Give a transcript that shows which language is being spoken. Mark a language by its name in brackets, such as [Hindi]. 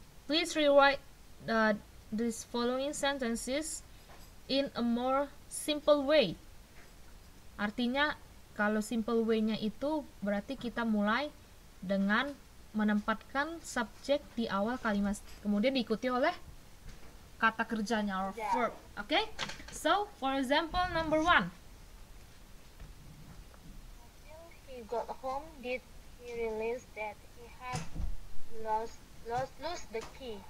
[English] Please rewrite these following sentences in a more simple way. [Indonesian] Artinya, kalau simple way-nya itu berarti kita mulai dengan menempatkan subjek di awal kalimat, kemudian diikuti oleh kata kerjanya, or verb. [English] Okay? So, for example, number one. Until he got home, did he realize that he had lost the key?